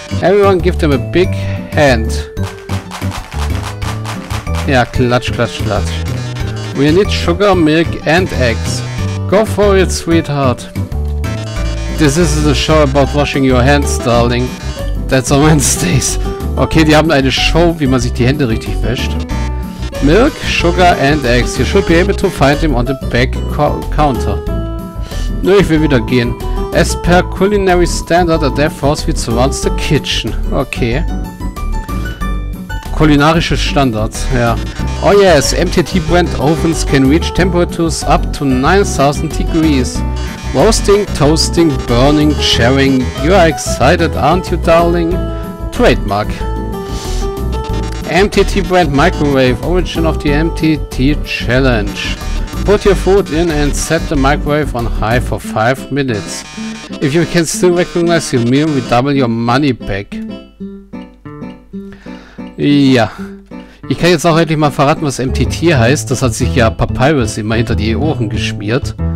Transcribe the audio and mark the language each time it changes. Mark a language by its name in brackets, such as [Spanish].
[English] Everyone give them a big hand. Yeah, [German] klatsch, klatsch, klatsch. [English] We need sugar, milk and eggs. Go for it, sweetheart. This is a show about washing your hands, darling. That's on Wednesdays. [German] Okay, die haben eine Show, wie man sich die Hände richtig wäscht. [English] Milk, sugar and eggs. You should be able to find them on the back counter. [German] Nö, ich will wieder gehen. [English] As per culinary standard, a death force fits around the kitchen. Okay. [German] Kulinarische Standards, ja. [English] Oh yes, MTT brand ovens can reach temperatures up to 9000 degrees. Roasting, toasting, burning, charring. You are excited, aren't you, darling? Trademark. MTT brand microwave, origin of the MTT challenge. Put your food in and set the microwave on high for 5 minutes. If you can still recognize your meal, we double your money back. [German] Ja. Ich kann jetzt auch endlich mal verraten, was MTT heißt. Das hat sich ja Papyrus immer hinter die Ohren geschmiert.